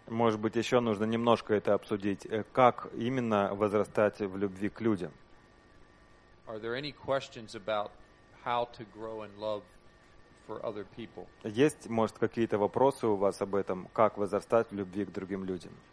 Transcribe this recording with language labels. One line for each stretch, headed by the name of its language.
Russian: Может быть, еще нужно немножко это обсудить. Как именно возрастать в любви к людям?
English: Are there any questions about how to grow in love for other people?
Russian: Есть, может, какие-то вопросы у вас об этом, как возрастать в любви к другим людям?